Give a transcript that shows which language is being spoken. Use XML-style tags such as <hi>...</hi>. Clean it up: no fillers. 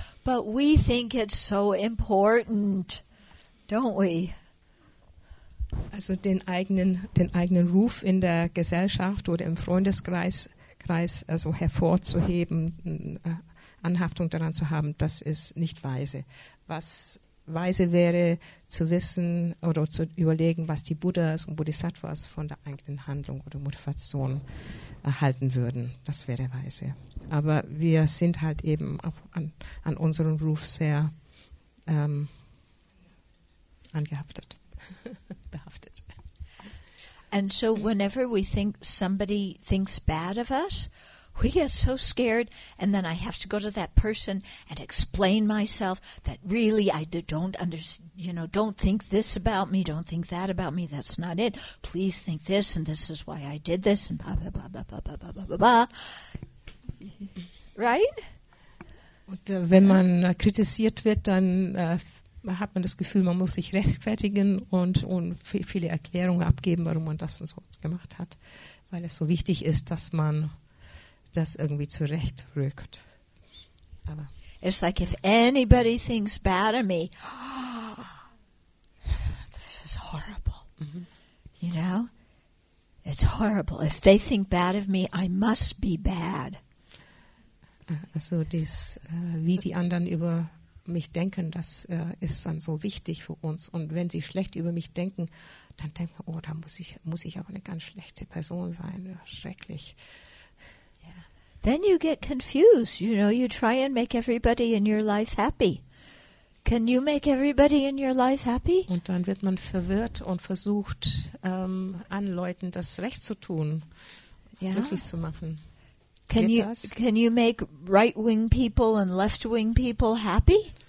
<en>But we think it's so important, don't we?</en> <de>Also den eigenen Ruf in der Gesellschaft oder im Freundeskreis also hervorzuheben, Anhaftung daran zu haben, das ist nicht weise. Was weise wäre, zu wissen oder zu überlegen, was die Buddhas und Bodhisattvas von der eigenen Handlung oder Motivation erhalten würden, das wäre weise. Aber wir sind halt eben an unserem Ruf sehr angehaftet. Behaftet.</de> <en>And so whenever we think somebody thinks bad of us, we get so scared, and then I have to go to that person and explain myself that really I don't understand, you know, don't think this about me, don't think that about me, that's not it. Please think this, and this is why I did this, and blah, blah, blah, blah, blah, blah, blah, blah, blah, blah. right?</en> <de>Und wenn man kritisiert wird, dann hat man das Gefühl, man muss sich rechtfertigen und viele Erklärungen abgeben, warum man das so gemacht hat, weil es so wichtig ist, dass man das irgendwie zurechtrückt.</de> <en>Aber it's like if anybody thinks bad of me, this is horrible. Mm-hmm. You know? It's horrible. If they think bad of me, I must be bad.</en> <de>Also das, wie die anderen über mich denken, das ist dann so wichtig für uns. Und wenn sie schlecht über mich denken, dann denken, oh, da muss ich aber eine ganz schlechte Person sein. Schrecklich.</de> <en>Then you get confused, you know, you try and make everybody in your life happy. Can you make everybody in your life happy?</en> <de>Und dann wird man verwirrt und versucht, allen Leuten das recht zu tun, yeah, glücklich zu machen.</de> <en>Can you make right-wing people and left-wing people happy?</en>